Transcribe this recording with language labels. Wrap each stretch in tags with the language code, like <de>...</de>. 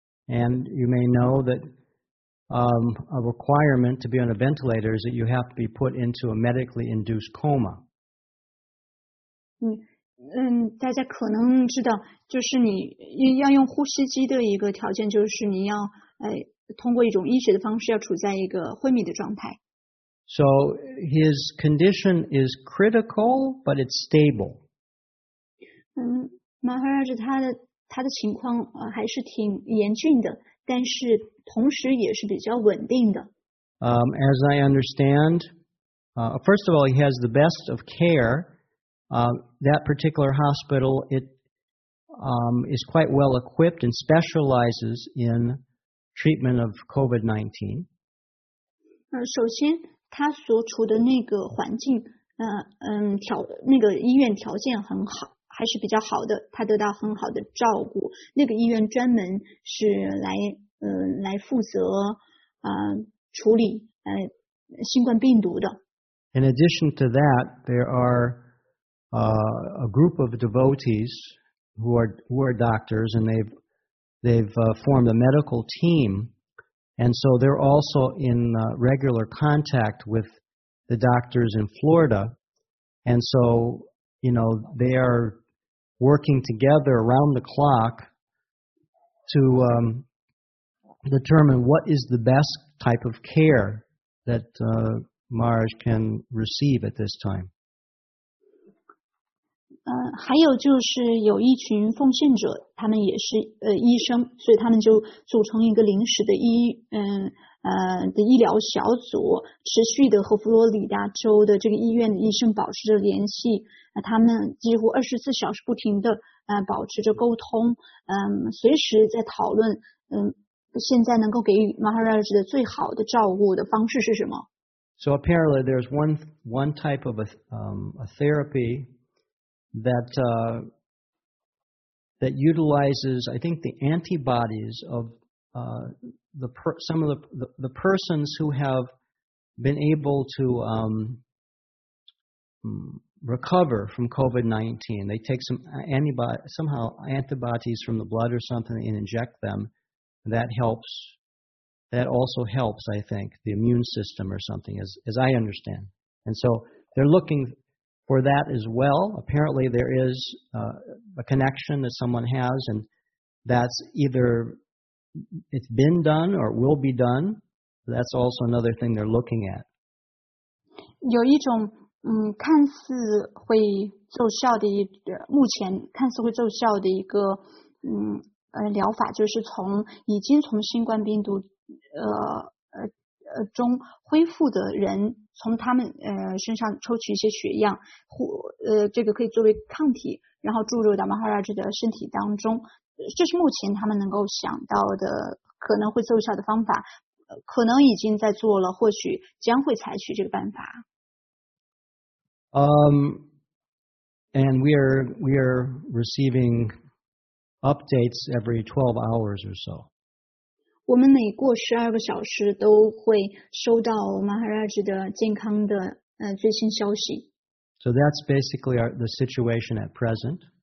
<en>And you may know that a requirement to be on a ventilator is that you have to be put into a medically induced coma.</en> <zh>大家可能知道，就是你要用呼吸机的一个条件，就是你要通过一种医学的方式，要处在一个昏迷的状态。</zh> <en>So his condition is critical, but it's stable.</en> <zh>Maharaj, 他的情况还是挺严峻的，但是同时也是比较稳定的。</zh> <en>As I understand, first of all, he has the best of care. That particular hospital, is quite well equipped and specializes in treatment of COVID-19.</en> <zh>首先他所处的那个环境，那个医院条件很好，还是比较好的，他得到很好的照顾。那个医院专门是来负责处理新冠病毒的。</zh> <en>In addition to that, there are a group of devotees who are doctors, and they've formed a medical team. And so they're also in regular contact with the doctors in Florida. And so, you know, they are working together around the clock to determine what is the best type of care that Maharaj can receive at this time.</en> <zh>还有就是有一群奉献者，他们也是医生，所以他们就组成一个临时的医疗小组，持续的和佛罗里达州的这个医院的医生保持着联系，他们几乎24小时不停的保持着沟通，随时在讨论现在能够给予 Maharaj 的最好的照顾的方式是什么。</zh> <en>So apparently there's one type of a therapythat utilizes, I think, the antibodies of some of the persons who have been able to recover from COVID-19. They take antibodies from the blood or something and inject them. That helps. That also helps, I think, the immune system or something, as I understand. And so they're looking... For that as well, apparently there is a connection that someone has, and that's either it's been done or will be done. That's also another thing they're looking at.</en> <zh>有一种看似会奏效的目前看似会奏效的一个疗法，就是从已经从新冠病毒中恢复的人，从他们身上抽取一些血样，这个可以作为抗体，然后注入到 Maharaj 的身体当中。这是目前他们能够想到的可能会奏效的方法，可能已经在做了，或许将会采取这个办法。</zh> <en>And we are receiving updates every 12 hours or so.</en> <zh>我们每过12个小时都会收到 Maharaj 的健康的最新消息。</zh> <en>So that's basically the situation at present.</en>